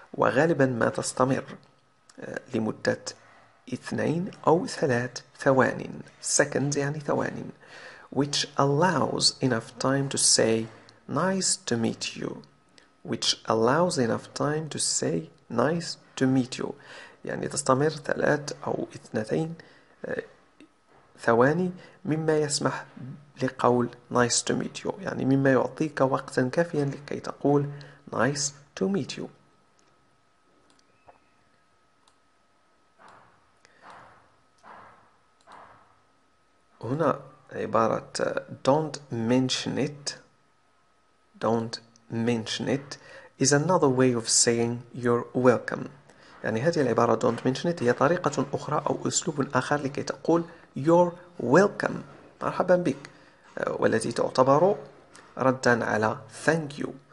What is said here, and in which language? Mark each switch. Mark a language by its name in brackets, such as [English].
[Arabic] وغالبا ما تستمر لمدة 2 أو 3 ثوان. Seconds يعني ثوان. [English] Which allows enough time to say nice to meet you. Which allows enough time to say nice to meet you. [Arabic] يعني تستمر 3 أو 2 ثواني مما يسمح لقول [English] nice to meet you، [Arabic] يعني مما يعطيك وقتا كافيا لكي تقول [English] nice to meet you. [Arabic] هنا عبارة [English] don't mention it. Don't mention it is another way of saying you're welcome. [Arabic] يعني هذه العبارة [English] don't mention it [Arabic] هي طريقة أخرى أو أسلوب آخر لكي تقول [English] you're welcome، [Arabic] مرحبا بك، والتي تعتبر ردا على [English] thank you.